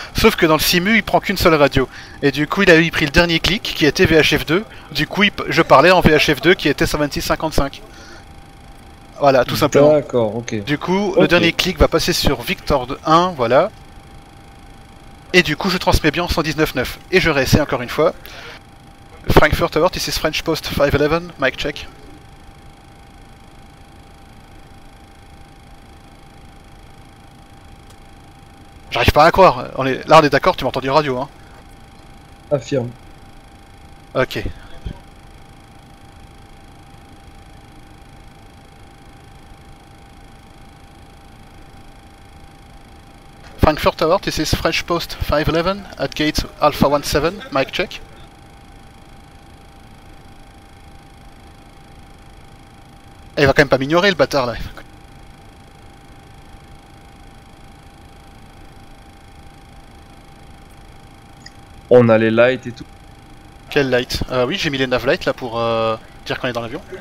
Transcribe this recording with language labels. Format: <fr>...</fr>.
<fr>Sauf que dans le simu, il prend qu'une seule radio. Et du coup, il a pris le dernier clic qui était VHF2. Du coup, je parlais en VHF2 qui était 126,55. Voilà, tout simplement. D'accord, ok. Du coup, okay. Le dernier clic va passer sur Victor 1, voilà. Et du coup, je transmets bien en 119.9. Et je réessaie encore une fois.</fr> <en>Frankfurt Tower, this is French Post 511, mic check.</en> <fr>J'arrive pas à croire. Là, on est d'accord, tu m'entends du radio, hein. Affirme. Ok.</fr> <en>Frankfurt Tower, this is French Post 511 at gate Alpha 17, mic check.</en> <fr>Et il va quand même pas m'ignorer le bâtard là. On a les lights et tout. Quel light? Oui, j'ai mis les nav lights là pour dire qu'on est dans l'avion.</fr>